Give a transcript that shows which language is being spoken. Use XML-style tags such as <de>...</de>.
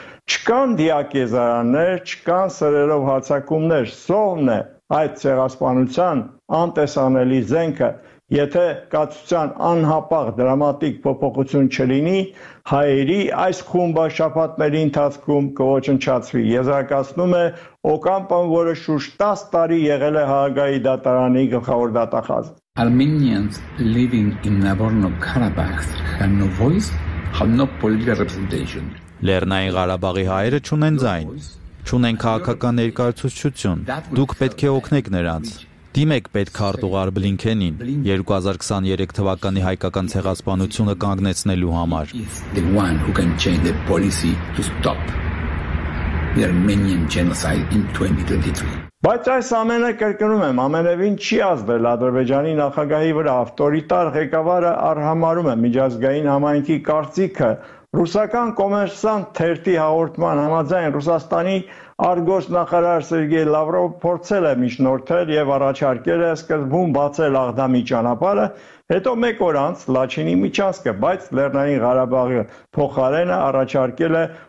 <hy>Չկան դիակեզարաններ, չկան սրերով հարձակումներ, սովն է այդ ցեղասպանության անտեսանելի զենքը, եթե կացության անհապաղ դրամատիկ փոփոխություն չլինի, հայերի այս խումբը շաբաթների ընթացքում կոչնչացվի։ Եզրակացնում է Օկամպոն, որը շուրջ 10 տարի եղել է Հաագայի դատարանի գլխավոր դատախազ։</hy> <en>Armenians living in Nagorno-Karabakh have no voice, have no political representation.</en> <hy>Լեռնային Ղարաբաղի հայերը չունեն ձայն, չունեն քաղաքական ներկայացություն։ Դուք պետք է օգնեք նրանց։ Դիմեք Պետքարտուղար Բլինքենին 2023 թվականի հայկական ցեղասպանությունը կանգնեցնելու համար։</hy> <en>The one who can change the policy to stop the Armenian genocide in 2023.</en> <hy>Բայց այս ամենը կրկնում եմ, ամենևին չի ազդել Ադրբեջանի նախագահի վրա, ավտորիտար ղեկավարը արհամարում է միջազգային համայնքի կարծիքը։ Ռուսական Կոմերսանտ թերթի հաղորդման համաձայն Ռուսաստանի արգոս նախարար Սերգեյ Լավրովը փորձել է միջնորդել և առաջարկել է սկզբում բացել Աղդամի ճանապարհը, հետո մեկ օր անց Լաչինի միջանցքը, բայց Լեռնային Ղարաբաղի փոխարենը առաջարկել է</hy>